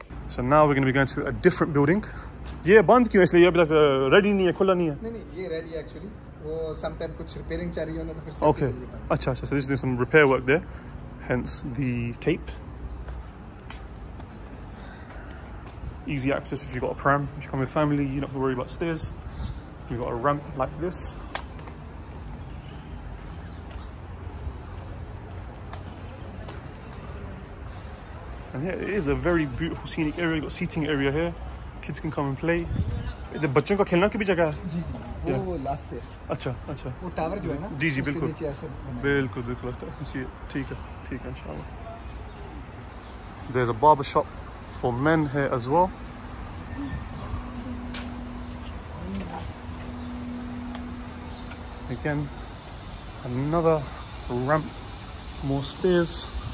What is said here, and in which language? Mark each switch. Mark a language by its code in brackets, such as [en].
[en] So now we're gonna be going to a different building. [ur] Yeah، بند کیوں اس لیے ابھی تک ready نہیں ہے، کھلا نہیں ہے۔ Nahi nahi, ye [en] ready actually. [ur] Wo [en] sometime [ur] kuch repairing chahiye hona to fir se. [en] Okay. [ur] Acha acha, [en] so this is doing some repair work there. Hence the tape. Easy access if you've got a pram. If you come with family, you don't have to worry about stairs. You've got a ramp like this. And yeah, it is a very beautiful scenic area. You've got seating area here. Kids can come and play. The [ur] بچوں کا کھیلنا کی بھی جگہ hai? Ji, wo last pe. اچھا، اچھا۔ Wo tower jo hai na? جی، جی، بالکل۔ بالکل، بالکل۔ [en] I can see it. [ur] ٹھیک ہے، انشاءاللہ۔ [en] There's a barber shop for men here as well. Again, another ramp, more stairs.